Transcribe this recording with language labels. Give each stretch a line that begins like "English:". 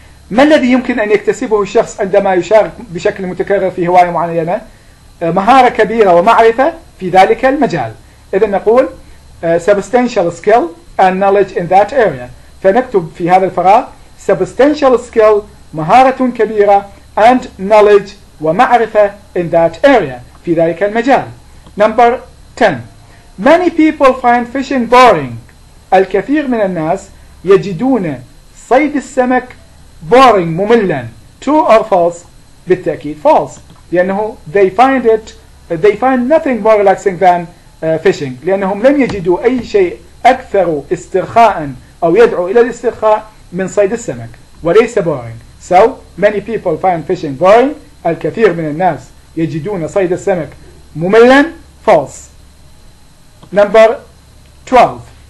Arabic: ما الذي يمكن أن يكتسبه الشخص عندما يشارك بشكل متكرر في هواية معينة مهارة كبيرة ومعرفة في ذلك المجال إذا نقول
English: substantial skill and knowledge in that area
Arabic: فنكتب في هذا الفراغ
English: substantial skill
Arabic: مهارة كبيرة
English: and knowledge
Arabic: ومعرفة
English: in that area
Arabic: في ذلك المجال.
English: Number 10. Many people find fishing boring.
Arabic: الكثير من الناس يجدون صيد السمك
English: boring
Arabic: مملا
English: true or false,
Arabic: بالتأكيد
English: false.
Arabic: لأنه
English: they find it, they find nothing more relaxing than fishing.
Arabic: لأنهم لم يجدوا أي شيء أكثر استرخاء أو يدعو إلى الاسترخاء من صيد السمك. وليس
English: boring. So many people find fishing boring.
Arabic: الكثير من الناس يجدون صيد السمك مملا.
English: False. Number 12.